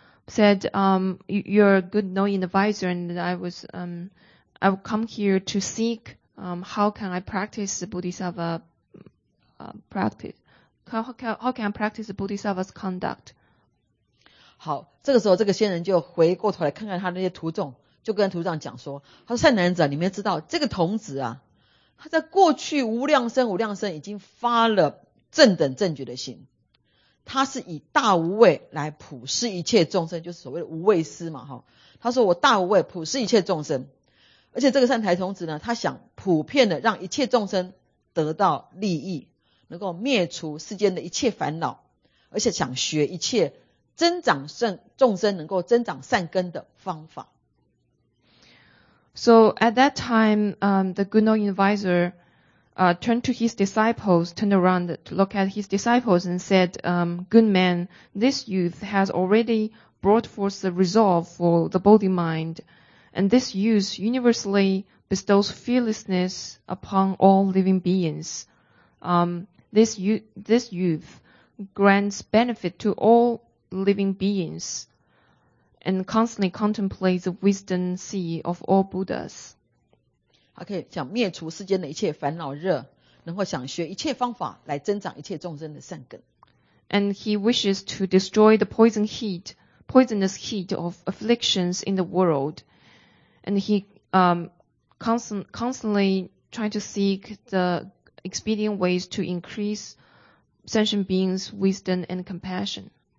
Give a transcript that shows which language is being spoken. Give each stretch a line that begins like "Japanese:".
English: Said, you're a good knowing advisor, and I've come here to seek, how can I practice the Bodhisattva, practice? How can I practice the Bodhisattva's conduct?
Chinese: 好，这个时候这个仙人就回过头来看看他那些徒众，就跟徒众讲说，他说善男子啊，你们知道这个童子啊，他在过去无量生已经发了正等正觉的心。他是以大无畏来普施一切众生，就是所谓的无畏施嘛，哈。他说我大无畏普施一切众生，而且这个善财童子呢，他想普遍的让一切众生得到利益，能够灭除世间的一切烦恼，而且想学一切增长众生能够增长善根的方法。
English: So at that time, the good knowing advisor. Turned to his disciples, turned around to look at his disciples and said, good man, this youth has already brought forth the resolve for the Bodhi mind. And this youth universally bestows fearlessness upon all living beings. This youth grants benefit to all living beings and constantly contemplates the wisdom sea of all Buddhas.
Chinese: 他可以想灭除世间的一切烦恼热，能够想学一切方法来增长一切众生的善根。
English: And he wishes to destroy the poisonous heat of afflictions in the world. And he constantly trying to seek the expedient ways to increase sentient beings' wisdom and compassion.